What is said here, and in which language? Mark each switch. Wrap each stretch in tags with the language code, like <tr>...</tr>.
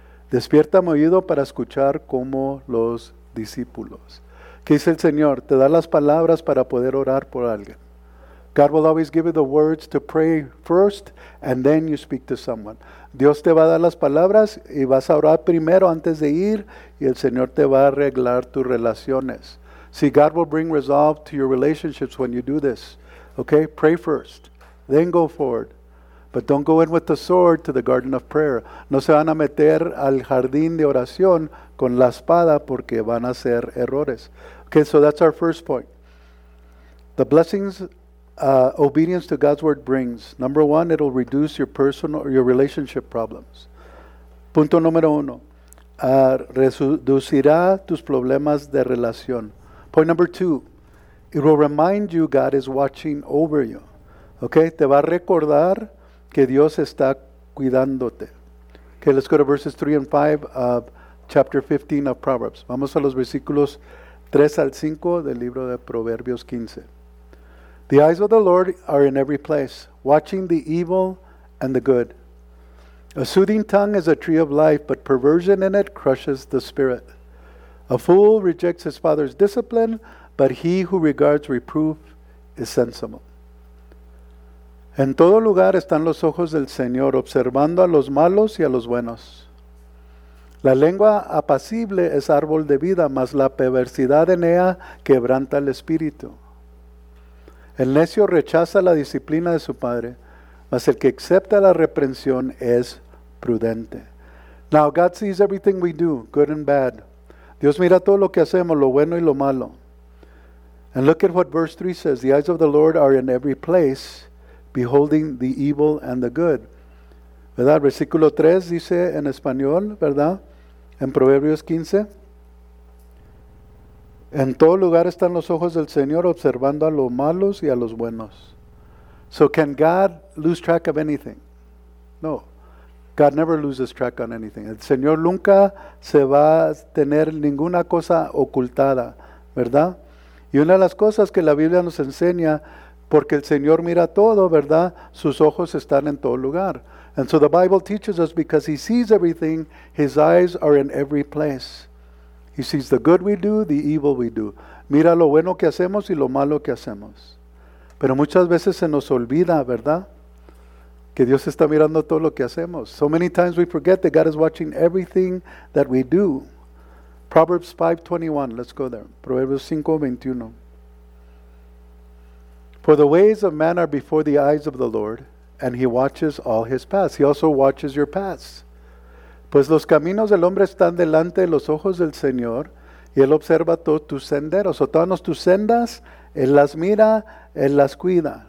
<es>Despierta mi oído para escuchar como los discípulos. ¿Qué dice el Señor? Te da las palabras para poder orar por alguien.</es> <en>God will always give you the words to pray first and then you speak to someone.</en> <es>Dios te va a dar las palabras y vas a orar primero antes de ir y el Señor te va a arreglar tus relaciones.</es> <en>See, God will bring resolve to your relationships when you do this. Okay, pray first, then go forward. But don't go in with the sword to the garden of prayer.</en> <es>No se van a meter al jardín de oración con la espada porque van a hacer errores.</es> <en>Okay, so that's our first point. The blessings obedience to God's word brings. Number one, it'll reduce your personal or your relationship problems.</en> <es>Punto número uno, reducirá tus problemas de relación.</es> <en>Point number two, it will remind you God is watching over you.</en> <es>Okay, te va a recordar que Dios está cuidándote.</es> <en>Okay, let's go to verses 3 and 5 of chapter 15 of Proverbs.</en> <es>Vamos a los versículos 3 al 5 del libro de Proverbios 15.</es> <en>The eyes of the Lord are in every place, watching the evil and the good. A soothing tongue is a tree of life, but perversion in it crushes the spirit. A fool rejects his father's discipline, but he who regards reproof is sensible.</en> <es>En todo lugar están los ojos del Señor, observando a los malos y a los buenos. La lengua apacible es árbol de vida, mas la perversidad en ella quebranta el espíritu. El necio rechaza la disciplina de su padre, mas el que acepta la reprensión es prudente.</es> <en>Now God sees everything we do, good and bad.</en> <es>Dios mira todo lo que hacemos, lo bueno y lo malo.</es> <en>And look at what verse 3 says, the eyes of the Lord are in every place, beholding the evil and the good.</en> <es>¿Verdad? Versículo 3 dice en español, ¿verdad? En Proverbios 15. En todo lugar están los ojos del Señor observando a los malos y a los buenos.</es> <en>So can God lose track of anything? No. God never loses track on anything.</en> <es>El Señor nunca se va a tener ninguna cosa ocultada, ¿verdad? Y una de las cosas que la Biblia nos enseña, porque el Señor mira todo, ¿verdad? Sus ojos están en todo lugar.</es> <en>And so the Bible teaches us because he sees everything, his eyes are in every place. He sees the good we do, the evil we do.</en> <es>Mira lo bueno que hacemos y lo malo que hacemos. Pero muchas veces se nos olvida, ¿verdad? Que Dios está mirando todo lo que hacemos.</es> <en>So many times we forget that God is watching everything that we do. Proverbs 5:21, let's go there. Proverbios 5:21. For the ways of man are before the eyes of the Lord, and he watches all his paths. He also watches your paths.</en> <es>Pues los caminos del hombre están delante de los ojos del Señor, y él observa todos tus senderos, o todas tus sendas, él las mira, él las cuida.</es>